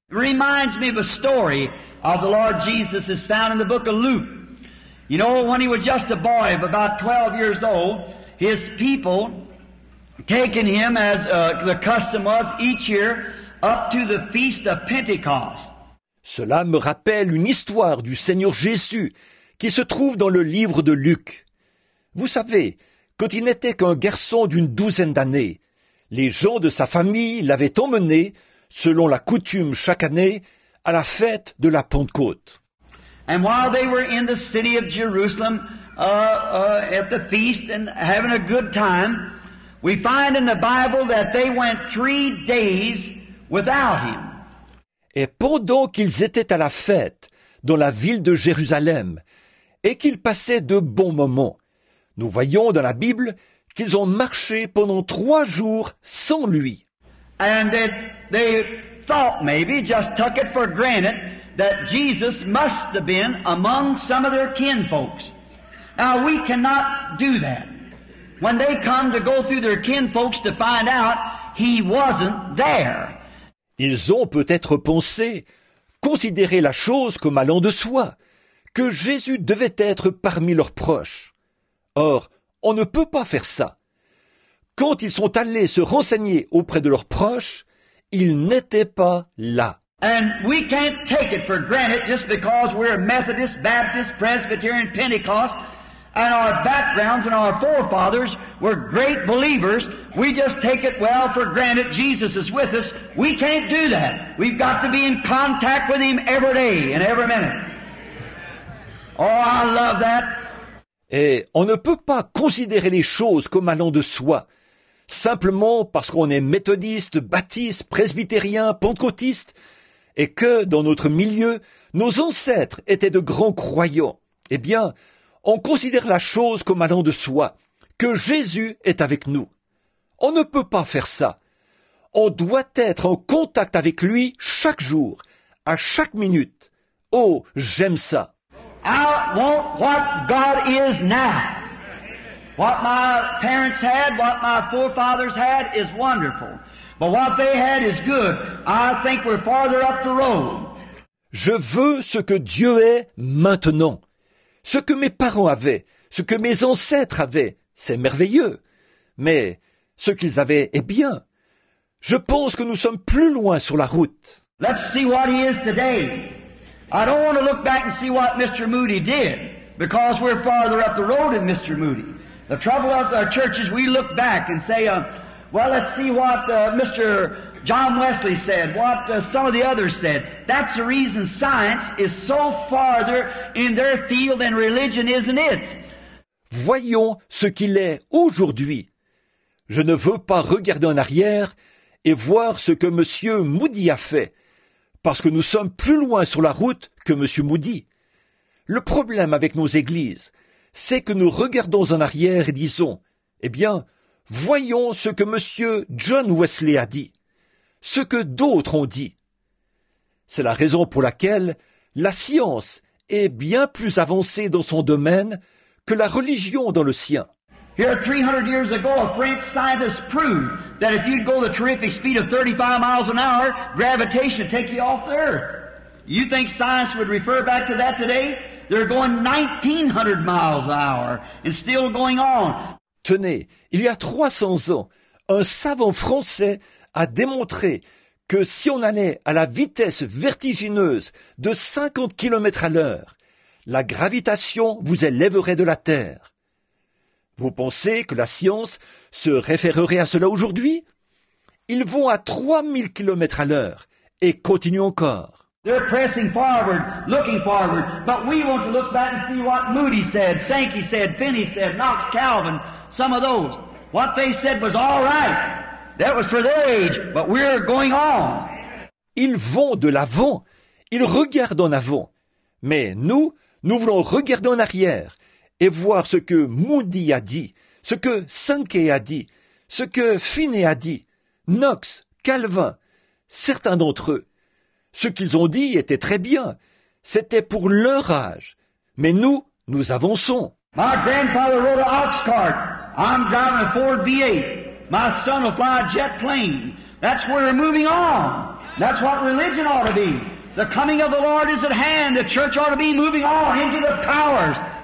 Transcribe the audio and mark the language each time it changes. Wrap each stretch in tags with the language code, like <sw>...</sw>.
<en>Reminds me of a story of the Lord Jesus is found in the book of Luke. You know, when he was just a boy of about 12 years old, his people taken him, as the custom was each year, up to the feast of Pentecost.</en> <fr>Cela me rappelle une histoire du Seigneur Jésus qui se trouve dans le livre de Luc. Vous savez, quand il n'était qu'un garçon d'une douzaine d'années, les gens de sa famille l'avaient emmené, selon la coutume chaque année, à la fête de la Pentecôte.</fr> <en>And while they were in the city of Jerusalem at the feast and having a good time, we find in the Bible that they went 3 days without him.</en> <fr>Et pendant qu'ils étaient à la fête dans la ville de Jérusalem et qu'ils passaient de bons moments, nous voyons dans la Bible qu'ils ont marché pendant 3 jours sans lui.</fr> <en>And they thought maybe, just took it for granted, that Jesus must have been among some of their kinfolks. Now we cannot do that. When they come to go through their kinfolks to find out, he wasn't there.</en> <fr>Ils ont peut-être pensé, considéré la chose comme allant de soi, que Jésus devait être parmi leurs proches. Or, on ne peut pas faire ça. Quand ils sont allés se renseigner auprès de leurs proches, ils n'étaient pas là.</fr> <en>And we can't take it for granted just because we're Methodist, Baptist, Presbyterian, Pentecost, and our backgrounds and our forefathers were great believers. We just take it well for granted Jesus is with us. We can't do that. We've got to be in contact with him every day and every minute. Oh, I love that.</en> <fr>Et on ne peut pas considérer les choses comme allant de soi, simplement parce qu'on est méthodiste, baptiste, presbytérien, pentecôtiste, et que dans notre milieu, nos ancêtres étaient de grands croyants. Eh bien, on considère la chose comme allant de soi, que Jésus est avec nous. On ne peut pas faire ça. On doit être en contact avec lui chaque jour, à chaque minute. Oh, j'aime ça.</fr> <en>I want what God is now. What my parents had, what my forefathers had is wonderful. But what they had is good. I think we're farther up the road.</en> <fr>Je veux ce que Dieu est maintenant. Ce que mes parents avaient, ce que mes ancêtres avaient, c'est merveilleux. Mais ce qu'ils avaient est bien. Je pense que nous sommes plus loin sur la route.</fr> <en>Let's see what he is today. I don't want to look back and see what Mr. Moody did, because we're farther up the road than Mr. Moody. The trouble of our church is we look back and say, well, let's see what Mr. John Wesley said, what some of the others said. That's the reason science is so farther in their field than religion, isn't it?</en> <fr>Voyons ce qu'il est aujourd'hui. Je ne veux pas regarder en arrière et voir ce que Monsieur Moody a fait, parce que nous sommes plus loin sur la route que Monsieur Moody. Le problème avec nos églises, c'est que nous regardons en arrière et disons, eh bien, voyons ce que Monsieur John Wesley a dit, ce que d'autres ont dit. C'est la raison pour laquelle la science est bien plus avancée dans son domaine que la religion dans le sien.</fr> <en>Here, 300 years ago, a French scientist proved that if you'd go the terrific speed of 35 miles an hour, gravitation would take you off the earth. You think science would refer back to that today? They're going 1900 miles an hour and still going on.</en> <fr>Tenez, il y a 300 ans, un savant français a démontré que si on allait à la vitesse vertigineuse de 50 km à l'heure, la gravitation vous élèverait de la Terre. Vous pensez que la science se référerait à cela aujourd'hui? Ils vont à 3000 km à l'heure et continuent encore.</fr> <en>They're pressing forward, looking forward, but we want to look back and see what Moody said, Sankey said, Finney said, Knox, Calvin, some of those. What they said was all right. That was for their age, but we're going on.</en> <fr>Ils vont de l'avant. Ils regardent en avant. Mais nous, nous voulons regarder en arrière et voir ce que Moody a dit, ce que Sankey a dit, ce que Finney a dit, Knox, Calvin, certains d'entre eux. Ce qu'ils ont dit était très bien. C'était pour leur âge. Mais nous, nous avançons.</fr> <en>My grandfather rode an ox cart. I'm driving a Ford V8. My son will fly a jet plane. That's where we're moving on. That's what religion ought to be. The coming of the Lord is at hand. The church ought to be moving on into the powers.</en>